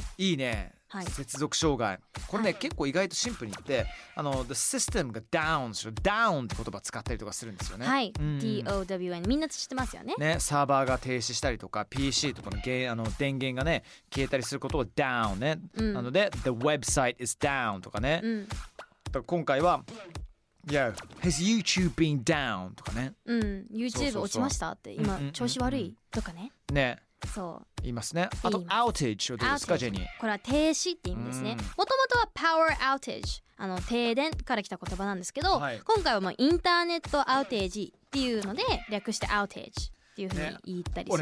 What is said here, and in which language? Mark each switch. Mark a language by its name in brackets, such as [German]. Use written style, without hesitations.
[Japanese] いいね、はい、接続障害これね、はい、結構意外とシンプルに言って、あの [English] The system [Japanese] が down しろ、 down って言葉使ったりとかするんですよね。はい、うん、D-O-W-N みんな知ってますよ ね、サーバーが停止したりとか PC とか あの電源がね消えたりすることを down ね、うん、なので [English] The website is down [Japanese] とかね、うん、だから今回は [English] Yo, has YouTube been down [Japanese] とかね、うん、YouTube、 そうそうそう、落ちましたって、今、うんうんうんうん、調子悪いとかね、ね、そう言いますね。あと outage はどうですか、ジェニー？これは停止って意味ですね。もともとは power outage、 あの停電から来た言葉なんですけど、はい、今回はもうインターネットアウテージっていうので略して outage っていう風に言ったりしますね。